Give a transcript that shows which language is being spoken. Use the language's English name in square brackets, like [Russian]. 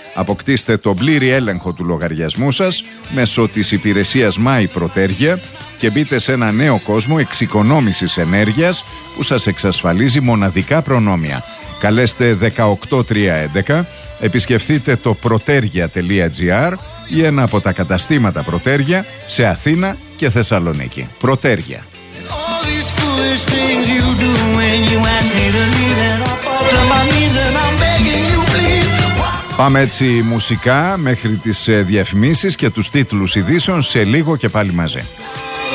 [Greek] Αποκτήστε τον πλήρη έλεγχο του λογαριασμού σας μέσω της υπηρεσίας My Πρωτέργεια και μπείτε σε ένα νέο κόσμο εξοικονόμησης ενέργειας που σας εξασφαλίζει μοναδικά προνόμια. Καλέστε 18311, επισκεφτείτε το πρωτέργεια.gr ή ένα από τα καταστήματα Πρωτέργεια σε Αθήνα και Θεσσαλονίκη. Πρωτέργεια. [English] When you ask me to leave and I fall to my knees and I'm begging you please. [Greek] Πάμε έτσι μουσικά μέχρι τις διαφημίσεις και τους τίτλους ειδήσεων σε λίγο και πάλι μαζί.